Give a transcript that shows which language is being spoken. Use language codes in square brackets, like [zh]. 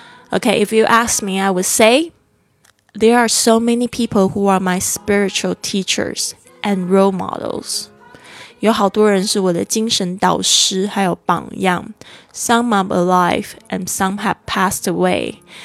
[en] Okay, if you ask me, I would say there are so many people who are my spiritual teachers and role models. [zh] 有好多人是我的精神导师还有榜样。 [en] Some are alive and some have passed away.